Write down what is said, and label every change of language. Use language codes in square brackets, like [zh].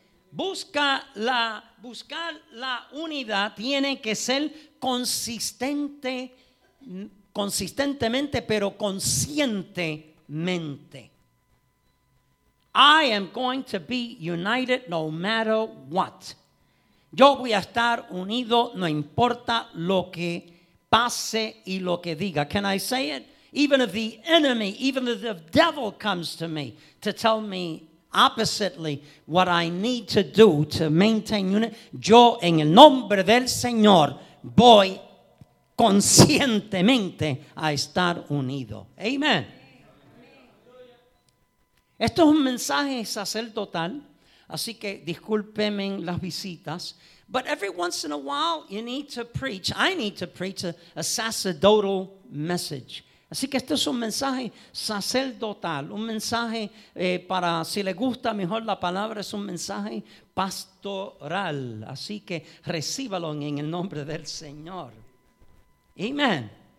[es] Buscar la unidad tiene que ser consistentemente, pero conscientemente. [en] I am going to be united no matter what. [es] Yo voy a estar unido no importa lo que pase y lo que diga. [en] Can I say it? Even if the enemy, even if the devil comes to me to tell me oppositely what I need to do to maintain unity, yo en el nombre del Señor voy conscientemente a estar unido. Amen. [es] Esto es un mensaje sacerdotal, así que discúlpenme las visitas. [en] But every once in a while, you need to preach. I need to preach a sacerdotal message. [es] Así que esto es un mensaje sacerdotal, un mensaje para, si le gusta mejor la palabra, es un mensaje pastoral. Así que recíbalo en el nombre del Señor. Amen.